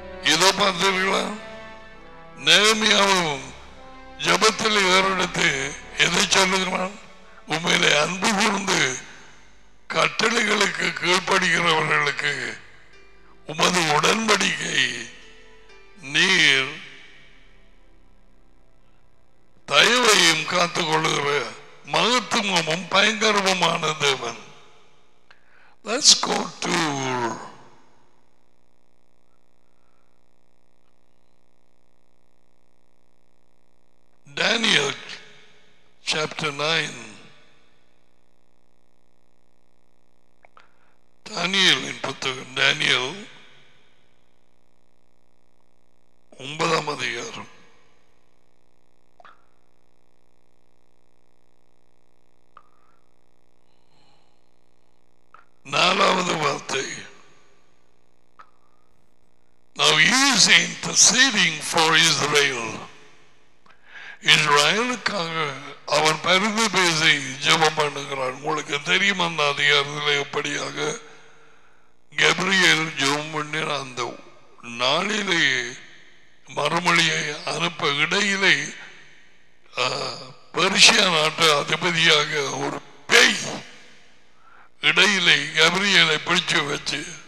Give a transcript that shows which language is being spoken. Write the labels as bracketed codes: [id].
[ta] இதோ பார்த்தீர்களா, நேர்மையாகவும் ஜபத்தில் ஏறெடுத்து எதை சொல்லுகிறான், உண்மையிலே அன்பு கூர்ந்து கட்டளைகளுக்கு கீழ்ப்படுகிறவர்களுக்கு உமது உடன்படிக்கை நீர் தயவையும் காத்துக் கொள்ளுகிற மகத்துவமும் பயங்கரமுமான தேவன். [en] Let's go to Daniel chapter 9. [ta] Daniel in புத்தகம் Daniel 9 4 வார்த்தை. [en] Now he is interceding for Israel. [ta] இஸ்ரேலுக்காக அவன் பரிந்து பேசி ஜெபம் பண்ணுகிறான். உங்களுக்கு தெரியும் அந்த அதிகாரத்தில் எப்படியாக கேப்ரியேல் ஜெபம் பண்ணி அந்த நாளிலே மறுமொழியை அனுப்ப இடையிலே பெர்ஷியா நாட்டு அதிபதியாக ஒரு பேய் இடையிலே கேப்ரியேலை பிடிச்சு வச்சு